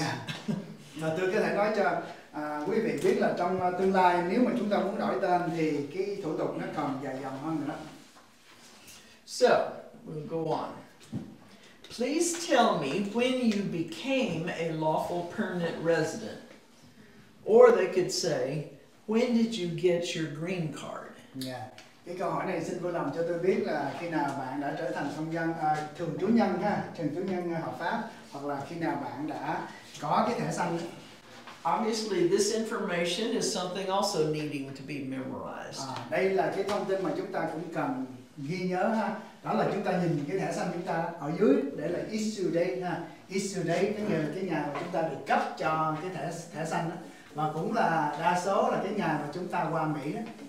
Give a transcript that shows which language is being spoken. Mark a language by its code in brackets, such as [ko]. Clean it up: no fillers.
[en] Yeah. [vi] Và tôi có thể nói cho quý vị biết là trong tương lai nếu mà chúng ta muốn đổi tên thì cái thủ tục nó còn dài dòng hơn nữa. [en] So, we'll go on. Please tell me when you became a lawful permanent resident. Or they could say, when did you get your green card? Yeah. [vi] Cái câu hỏi này xin vui lòng cho tôi biết là khi nào bạn đã trở thành công dân thường trú nhân ha, thường trú nhân hợp pháp, hoặc là khi nào bạn đã có cái thẻ xanh. [en] Obviously this information is something also needing to be memorized. [vi] Đây là cái thông tin mà chúng ta cũng cần ghi nhớ ha. Đó là chúng ta nhìn cái thẻ xanh chúng ta ở dưới, để là issue date ha. Issue date tức là cái ngày mà chúng ta được cấp cho cái thẻ xanh đó. Và cũng là đa số là cái ngày mà chúng ta qua Mỹ đó.